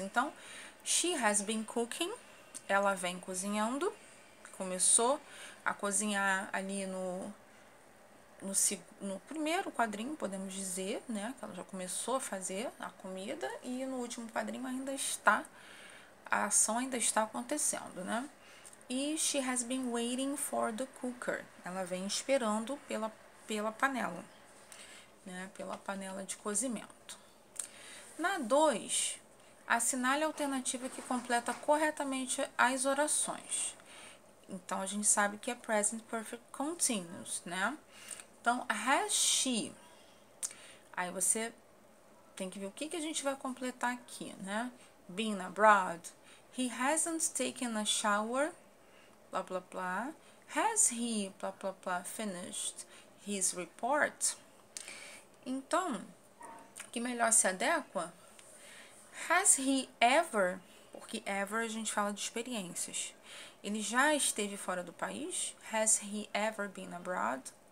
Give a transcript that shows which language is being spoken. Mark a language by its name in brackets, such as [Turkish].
[Portuguese] Então, [English] she has been cooking, [Portuguese] ela vem cozinhando. Começou a cozinhar ali no primeiro quadrinho, podemos dizer, né? Que ela já começou a fazer a comida, e no último quadrinho ainda está, a ação ainda está acontecendo, né? [English] E she has been waiting for the cooker. [Portuguese] Ela vem esperando pela panela, né? Pela panela de cozimento. Na 2, assinale a alternativa que completa corretamente as orações. Então, a gente sabe que é present perfect continuous, né? Então, [English] has she? [Portuguese] Aí você tem que ver o que que a gente vai completar aqui, né? [English] Been abroad. He hasn't taken a shower. Blá, blá, blá. Has he, blá, blá, blá, finished his report? [Portuguese] Então, que melhor se adequa? [English] Has he ever? [Portuguese] Porque ever a gente fala de experiências. Ele já esteve fora do país? [English] Has he ever been abroad?